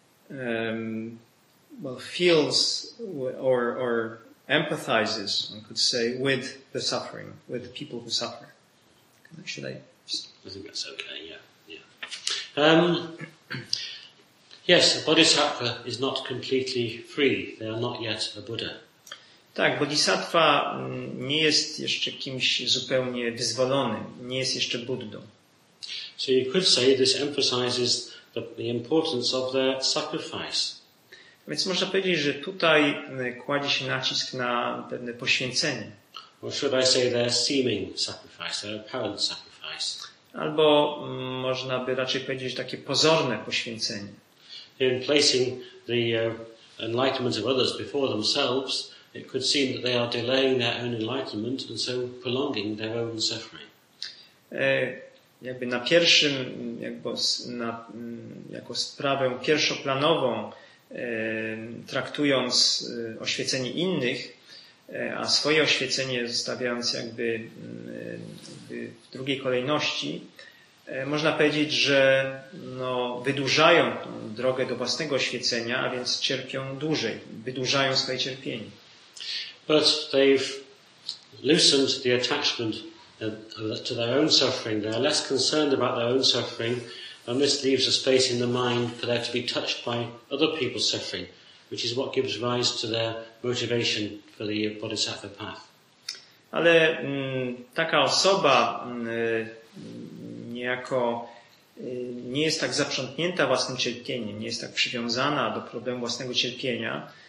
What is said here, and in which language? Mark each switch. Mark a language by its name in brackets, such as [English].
[English] Well, feels or empathizes, one could say, with the suffering, with the people who suffer. Should I? I think that's okay. Yeah. Yes, a bodhisattva is not completely free. They are not yet a Buddha. [Polish] Tak, bodhisattva nie jest jeszcze kimś zupełnie wyzwolonym. Nie jest jeszcze Buddą. [English] So you could say this emphasizes the importance of their sacrifice. [Polish] Więc można powiedzieć, że tutaj kładzie się nacisk na pewne poświęcenie. [English] Or should I say their seeming sacrifice, their apparent sacrifice? [Polish] Albo można by raczej powiedzieć takie pozorne poświęcenie. [English] In placing the enlightenment of others before themselves, it could seem that they are delaying their own enlightenment and so prolonging their own suffering. [Polish] Jakby na pierwszym, jakby na, jako sprawę pierwszoplanową traktując oświecenie innych, a swoje oświecenie zostawiając jakby w drugiej kolejności, można powiedzieć, że no, wydłużają drogę do własnego oświecenia, a więc cierpią dłużej, wydłużają swoje cierpienie. [English] But they've loosened the attachment to their own suffering. They are less concerned about their own suffering, and this leaves a space in the mind for there to be touched by other people's suffering, which is what gives rise to their motivation for the bodhisattva path. [Polish] Ale taka osoba niejako nie jest tak zaprzątnięta własnym cierpieniem, nie jest tak przywiązana do problemu własnego cierpienia.